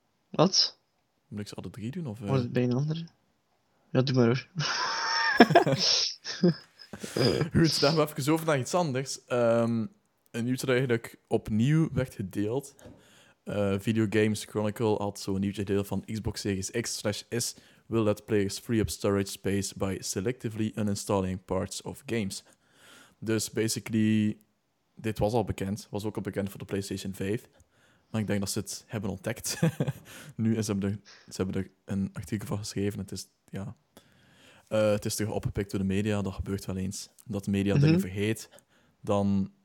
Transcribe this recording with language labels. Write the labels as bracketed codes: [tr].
[nl] Wat? Moet ik ze alle 3 doen? Of, hoort het bij een ander? Ja, doe maar hoor. Goed, daar gaan we even over naar iets anders. Een nieuwtje dat eigenlijk opnieuw werd gedeeld. Video Games Chronicle had zo'n nieuwtje gedeeld van Xbox Series X/S... [en] will let players free up storage space by selectively uninstalling parts of games. [nl] Dus basically, dit was al bekend. Was ook al bekend voor de PlayStation 5. Maar ik denk dat ze het hebben ontdekt. Nu en ze hebben er een artikel van geschreven. Het is terug opgepikt door de media. Dat gebeurt wel eens. Dat de media dingen vergeet, dan